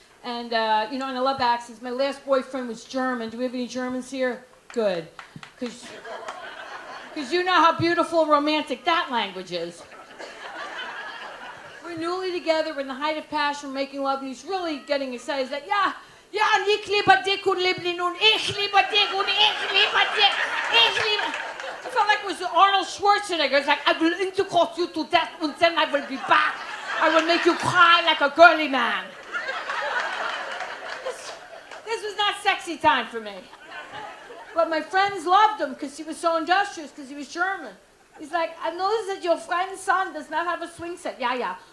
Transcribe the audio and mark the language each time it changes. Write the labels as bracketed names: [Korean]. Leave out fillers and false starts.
[English] And, you know, and I love accents. My last boyfriend was German. Do we have any Germans here? Good. Because you know how beautiful and romantic that language is. We're newly together, we're in the height of passion, making love, and he's really getting excited. He's like, [German] ich liebe dich und liebe dich [English] und ich liebe dich und ich liebe dich, ich liebe dich. I felt like it was Arnold Schwarzenegger. He's like, I will intercourse you to death and then I will be back. I will make you cry like a girly man. This was not sexy time for me. But my friends loved him because he was so industrious, because he was German. He's like, I noticed that your friend's son does not have a swing set. Yeah.